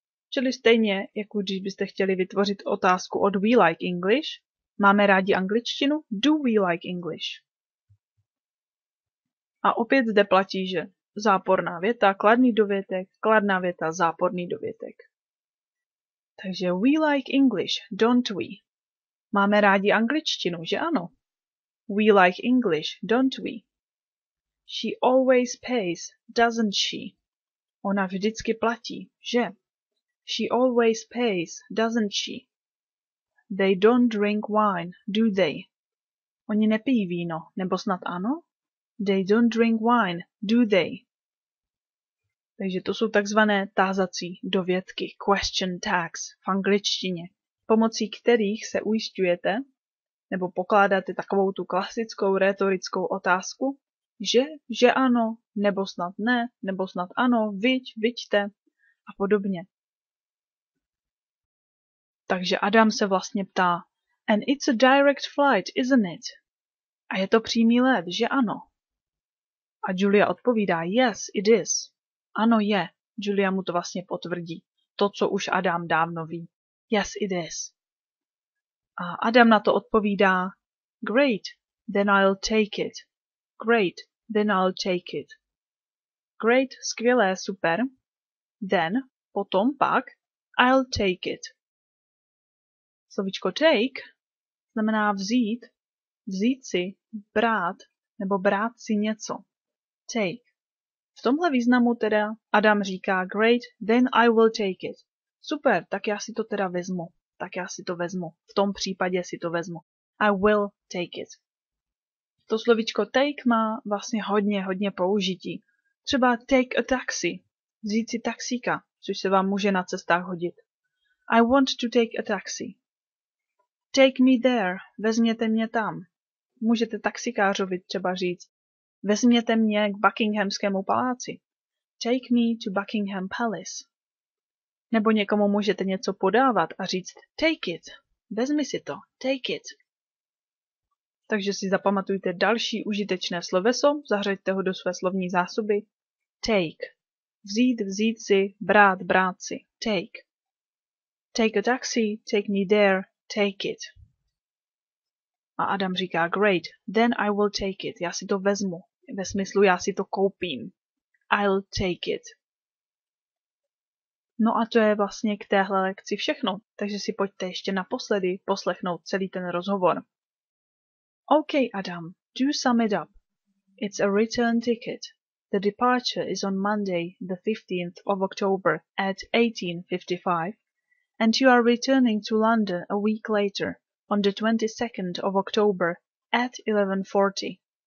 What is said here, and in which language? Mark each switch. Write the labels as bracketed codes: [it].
[cs] Čili stejně, jako když byste chtěli vytvořit otázku od [en] We Like English, [cs] máme rádi angličtinu [en] Do We Like English? [cs] A opět zde platí, že záporná věta, kladný dovětek, kladná věta, záporný dovětek. [en] Takže We Like English, don't we? [cs] Máme rádi angličtinu, že ano? [en] We Like English, don't we? She always pays, doesn't she? [cs] Ona vždycky platí, že? [en] She always pays, doesn't she? They don't drink wine, do they? [cs] Oni nepijí víno, nebo snad ano? [en] They don't drink wine, do they? [cs] Takže to jsou takzvané tázací dovětky, question tags v angličtině, pomocí kterých se ujišťujete, nebo pokládáte takovou tu klasickou retorickou otázku, že ano, nebo snad ne, nebo snad ano, viďte a podobně. Takže Adam se vlastně ptá, [en] and it's a direct flight, isn't it? [cs] A je to přímý let, že ano? A Julia odpovídá, [en] yes, it is. [cs] Ano, je. Julia mu to vlastně potvrdí. To, co už Adam dávno ví. [en] Yes, it is. [cs] A Adam na to odpovídá, [en] great, then I'll take it. [cs] Great, then I'll take it. [en] Great, [cs] skvělé, super. [en] Then, [cs] potom, pak, [en] I'll take it. [cs] Slovičko take znamená vzít, vzít si, brát, nebo brát si něco. Take. V tomhle významu teda Adam říká, [en] great, then I will take it. [cs] Super, tak já si to teda vezmu. Tak já si to vezmu. V tom případě si to vezmu. [en] I will take it. [cs] To slovičko take má vlastně hodně, hodně použití. Třeba [en] take a taxi, [cs] vzít si taxíka, což se vám může na cestách hodit. [en] I want to take a taxi. Take me there, [cs] vezměte mě tam. Můžete taxikářovi třeba říct, vezměte mě k Buckinghamskému paláci. [en] Take me to Buckingham Palace. [cs] Nebo někomu můžete něco podávat a říct, [en] take it, [cs] vezmi si to, take it. Takže si zapamatujte další užitečné sloveso, zahraďte ho do své slovní zásoby. Take. Vzít, vzít si, brát, brát si. [en] Take. Take a taxi, take me there, take it. [cs] A Adam říká, [en] great, then I will take it. [cs] Já si to vezmu. Ve smyslu, já si to koupím. [en] I'll take it. [cs] No a to je vlastně k téhle lekci všechno. Takže si pojďte ještě naposledy poslechnout celý ten rozhovor. [en] Okay, Adam, do sum it up. It's a return ticket. The departure is on Monday, the 15th of October at 18:55, and you are returning to London a week later, on the 22nd of October at 11:40.